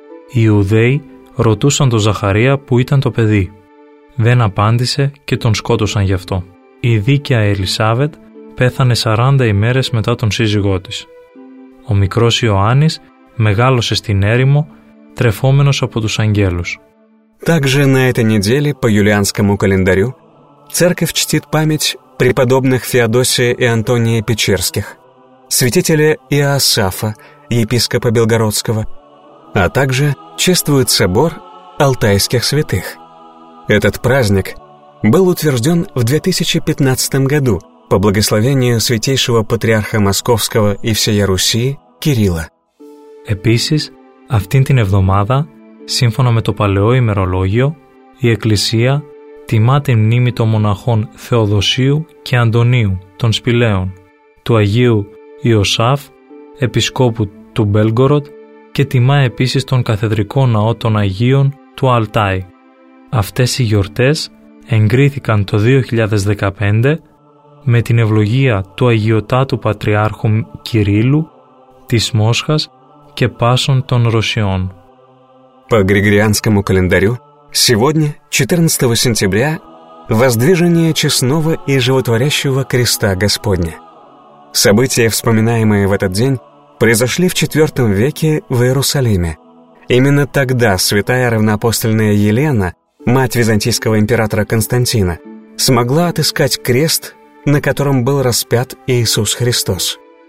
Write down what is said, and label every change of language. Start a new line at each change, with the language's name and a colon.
Greek: Οι Ιουδαίοι ρωτούσαν τον Ζαχαρία που ήταν το παιδί. Δεν απάντησε και τον σκότωσαν γι' αυτό. Η δίκαια Ελισάβετ πέθανε 40 ημέρες μετά τον σύζυγό της. Ο μικρός Ιωάννης μεγάλωσε στην έρημο, τρεφόμενος από τους αγγέλους.
Russian: Также на этой неделе по юлианскому календарю церковь чтит память преподобных Феодосия и Антония Печерских, святителя Иоасафа, епископа Белгородского, а также чествует собор алтайских святых. Этот праздник был утвержден в 2015 году по благословению святейшего патриарха Московского и всея Руси Кирилла.
Greek: Επίσης, αυτήν την εβδομάδα, σύμφωνα με το παλαιό ημερολόγιο, η Εκκλησία τιμά τη μνήμη των μοναχών Θεοδοσίου και Αντωνίου των Σπηλαίων, του Αγίου Ιωσάφ, επισκόπου του Μπέλγκοροτ και τιμά επίσης τον καθεδρικό ναό των Αγίων του Αλτάι. Αυτές οι γιορτές εγκρίθηκαν το 2015 με την ευλογία του Αγιωτάτου Πατριάρχου Κυρίλου της Μόσχας και Πάσων των Ρωσιών.
Russian: По григорианскому календарю сегодня, 14 сентября, воздвижение честного и животворящего креста Господня. События, вспоминаемые в этот день, произошли в IV веке в Иерусалиме. Именно тогда святая равноапостольная Елена, мать византийского императора Константина, смогла отыскать крест, на котором был распят Иисус Христос.